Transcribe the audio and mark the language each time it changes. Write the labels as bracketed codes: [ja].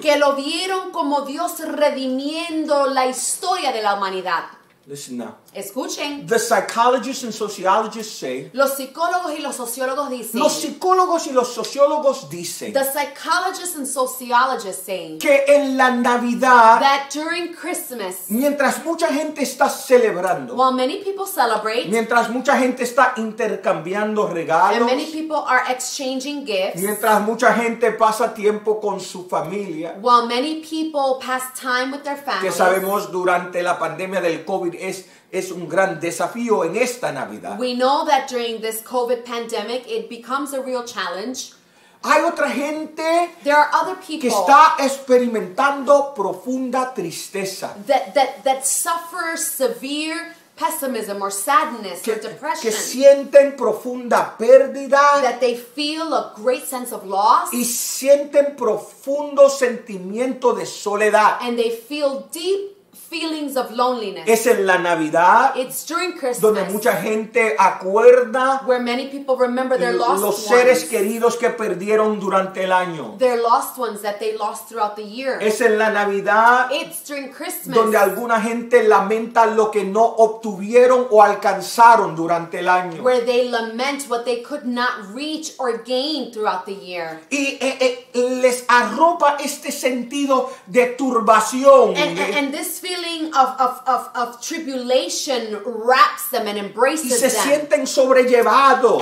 [es] Que lo vieron como Dios redimiendo la historia de la humanidad. [en] Listen now. [es] Escuchen. [en] The psychologists and sociologists say. [es] Los psicólogos y los sociólogos dicen. Los psicólogos y los sociólogos dicen. [en] The psychologists and sociologists say. [es] Que en la Navidad. [en] That during Christmas. [es] Mientras mucha gente está celebrando. [en] While many people celebrate. [es] Mientras mucha gente está intercambiando regalos. [en] And many people are exchanging gifts. [es] Mientras mucha gente pasa tiempo con su familia. [en] While many people pass time with their families. [es] Que sabemos durante la pandemia del COVID es un gran desafío en esta Navidad. [en] We know that during this COVID pandemic, it becomes a real challenge. [es] Hay otra gente, [en] there are other people, [es] que está experimentando profunda tristeza. [en] That suffers severe pessimism or sadness or depression. [es] Que sienten profunda pérdida. [en] That they feel a great sense of loss. [es] Y sienten profundo sentimiento de soledad. [en] And they feel deep feelings of loneliness. [es] Es en la Navidad. [en] It's during Christmas. [es] Donde mucha gente acuerda. [en] Where many people remember their lost ones. [es] Los seres queridos que perdieron durante el año. [en] Their lost ones that they lost throughout the year. [es] Es en la Navidad. [en] It's during Christmas. [es] Donde alguna gente lamenta lo que no obtuvieron o alcanzaron durante el año. [en] Where they lament what they could not reach or gain throughout the year. [es] Y les arropa este sentido de turbación. [en] And this feeling of tribulation wraps them and embraces them. [es] Y se sienten sobrellevados.